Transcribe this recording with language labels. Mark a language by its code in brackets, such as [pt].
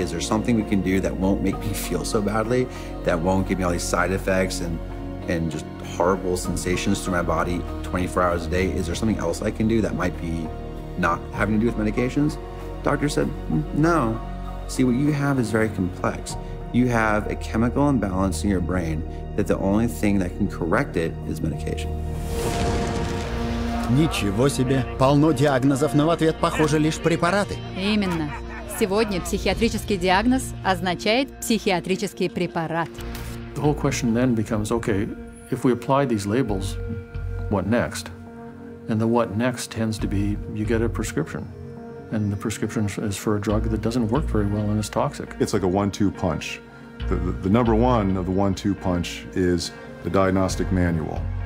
[en] Is there something we can do that won't make me feel so badly, that won't give me all these side effects and just horrible sensations through my body 24 hours a day? Is there something else I can do that might be not having to do with medications? Doctor said, no. See, what you have is very complex. You have a chemical imbalance in your brain that the only thing that can correct it is medication. [ru] Ничего себе! Полно диагнозов, но в ответ, похоже, лишь препараты. Именно. Сегодня психиатрический диагноз означает психиатрический препарат. [en] The whole question then becomes, okay, if we apply these labels, what next? And the what next tends to be, you get a prescription. And the prescription is for a drug that doesn't work very well and is toxic. It's like a 1-2 punch. The number one of the 1-2 punch is the diagnostic manual.